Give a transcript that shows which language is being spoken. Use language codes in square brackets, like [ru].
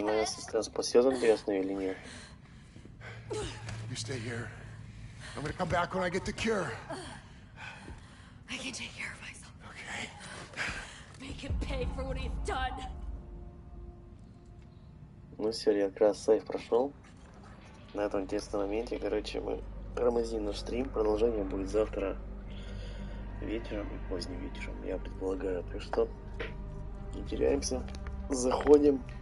[ru] моя сестра спасет он тебя или нет? [en] You stay here. I'm gonna come back when I get the cure. I can take care of myself. Okay. Make him pay for what he's done. [ru] Ну все, я как раз сейф прошел. На этом тесном моменте, короче, мы тормозим наш стрим. Продолжение будет завтра вечером и поздним вечером, я предполагаю. Так что не теряемся, заходим.